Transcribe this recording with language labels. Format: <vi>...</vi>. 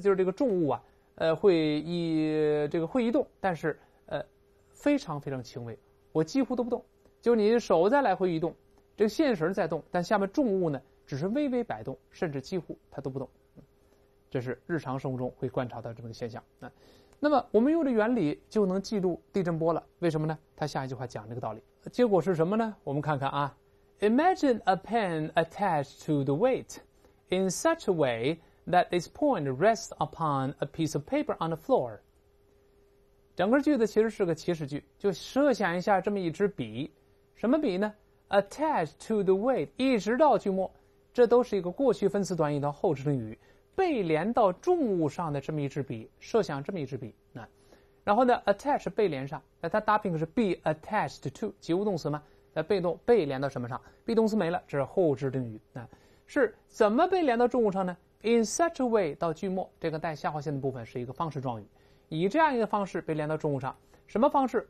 <zh>就是这个重物啊，会移动，但是非常非常轻微，我几乎都不动，就你手在来回移动，这个线绳在动，但下面重物呢只是微微摆动，甚至几乎它都不动。这是日常生活中会观察到这么个现象。那么我们用这原理就能记录地震波了，为什么呢？他下一句话讲这个道理，结果是什么呢？我们看看啊。</zh> <en>Imagine a pen attached to the weight in such a way that its point rests upon a piece of paper on the floor.</en> <zh>整个句子其实是个祈使句，就设想一下这么一支笔，什么笔呢？</zh> <en>Attached to the weight，</en> <zh>一直到句末，这都是一个过去分词短语的后置定语，被连到重物上的这么一支笔，设想这么一支笔，然后呢 ，attach 被连上，那它搭配的是</zh> <en>be attached to，</en> <zh>及物动词嘛，那被动被连到什么上 ？be 动词没了，这是后置定语，是怎么被连到重物上呢 ？</zh> <en>In such a way</en> <zh>到句末，这个带下划线的部分是一个方式状语，以这样一个方式被连到重物上，什么方式？</zh>